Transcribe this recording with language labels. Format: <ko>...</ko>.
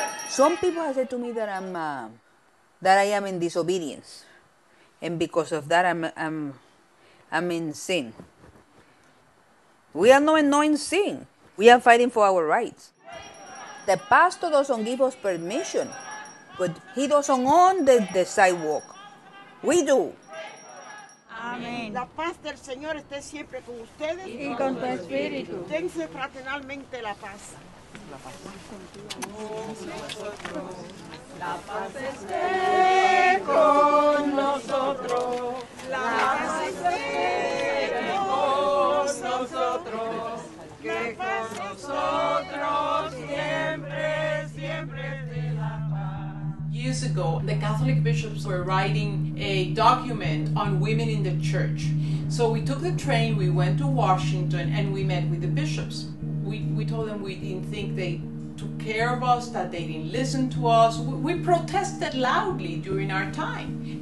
<en>Some people have said to me that I am in disobedience, and because of that I'm in sin. We are not in sin. We are fighting for our rights. The pastor doesn't give us permission, but he doesn't own the sidewalk. We do.</en> <es>Amén. La paz del Señor esté siempre con ustedes. Y con tu espíritu. Dense fraternalmente la paz. La paz esté con nosotros. La paz esté con nosotros. Que con nosotros siempre, siempre de la paz.</es> <en>Years ago, the Catholic bishops were writing a document on women in the church. So we took the train, we went to Washington, and we met with the bishops. We told them we didn't think they took care of us, that they didn't listen to us. We protested loudly during our time.</en>